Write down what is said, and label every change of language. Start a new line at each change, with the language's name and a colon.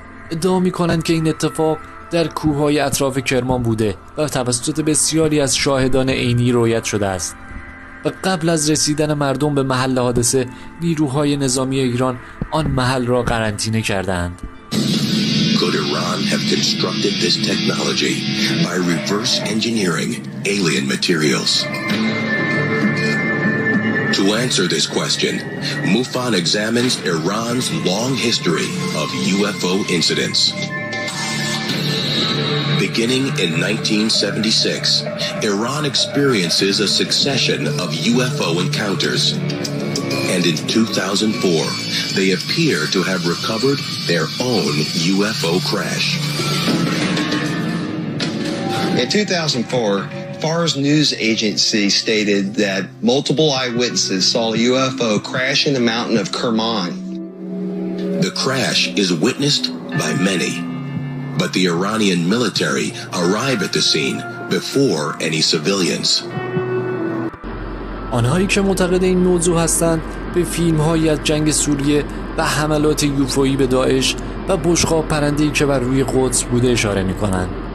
Persian: ادعا می کنند که این اتفاق در کوههای اطراف کرمان بوده و توسط بسیاری از شاهدان عینی رویت شده است و قبل از رسیدن مردم به محل حادثه نیروهای نظامی ایران آن محل را قرنطینه کردند.
English: Could Iran have constructed this technology by reverse engineering alien materials? To answer this question, MUFON examines Iran's long history of UFO incidents. Beginning in 1976, Iran experiences a succession of UFO encounters. And in 2004, they appear to have recovered their own UFO crash. In 2004, FARS news agency stated that multiple eyewitnesses saw a UFO crash in the mountain of Kerman. The crash is witnessed by many. But the Iranian military arrive at the scene before any civilians.
Persian: آنهایی که معتقد این موضوع هستند به فیلم‌های از جنگ سوریه و حملات یوفویی به داعش و بشقاب پرنده‌ای که بر روی قدس بوده اشاره می‌کنند.